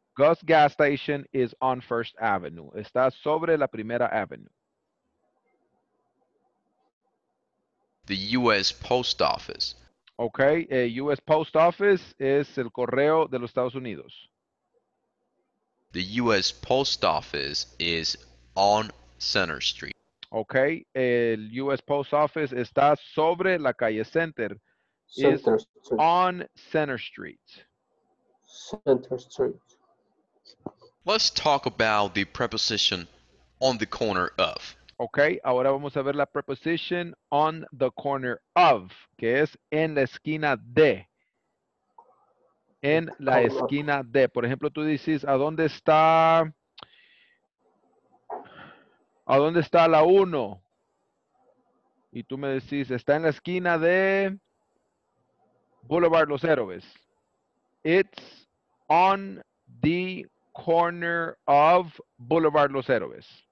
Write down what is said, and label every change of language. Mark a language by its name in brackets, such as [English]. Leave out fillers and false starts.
[English] Gus Gas Station is on First Avenue. [Spanish] Está sobre la Primera Avenue. [English] The U.S. Post Office. Okay, U.S. [Spanish] Post Office es el correo de los Estados Unidos. [English] The U.S. Post Office is on Center Street. [Spanish] Okay, el U.S. Post Office está sobre la calle Center. [English] Center Street. On Center Street. Center Street. Let's talk about the preposition on the corner of. [Spanish] Okay, ahora vamos a ver la preposición [English] on the corner of, [Spanish] que es en la esquina de. En la esquina de. Por ejemplo, tú dices, ¿a dónde está? ¿A dónde está la 1? Y tú me decís, está en la esquina de Boulevard Los Héroes. [English] It's on the corner of Boulevard Los Héroes.